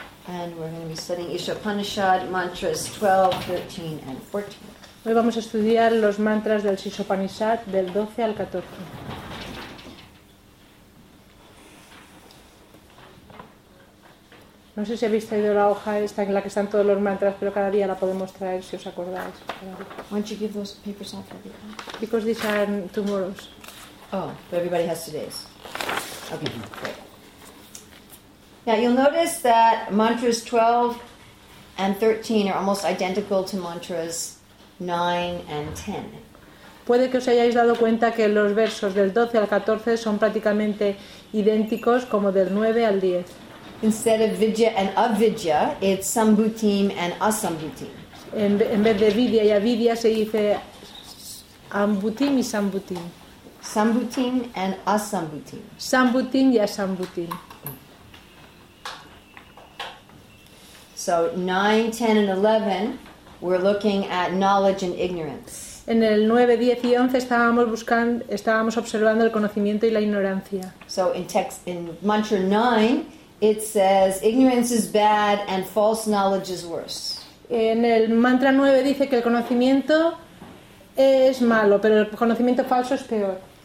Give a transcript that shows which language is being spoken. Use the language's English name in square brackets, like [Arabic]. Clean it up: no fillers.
[English] And we're going to be studying Isha Upanishad mantras 12, 13, and 14. [Spanish] Hoy vamos a estudiar los mantras del Isha Upanishad del 12 al 14. No sé si habéis traído la hoja esta en la que están todos los mantras, pero cada día la podemos traer si os acordáis. [English] Why don't you give those papers out for people? Because these are tomorrow's. Oh, but everybody has today's. Okay, great. Now, you'll notice that mantras 12 and 13 are almost identical to mantras 9 and 10. [Spanish] Puede que os hayáis dado cuenta que los versos del 12 al 14 son prácticamente idénticos como del 9 al 10. [English] Instead of vidya and avidya, it's sambhutim and asambhutim. [Spanish] En vez de vidya y avidya, se dice ambhutim y sambhutim. [English] Sambhutim and asambhutim. [Spanish] Sambhutim y asambhutim. [English] So 9, 10, and 11, we're looking at knowledge and ignorance. [Spanish] En el 9, 10 y 11 estábamos observando el conocimiento y la ignorancia. [English] So in mantra 9, it says ignorance is bad and false knowledge is worse. [Spanish] En el mantra 9 dice que el conocimiento es malo, pero el conocimiento falso es peor.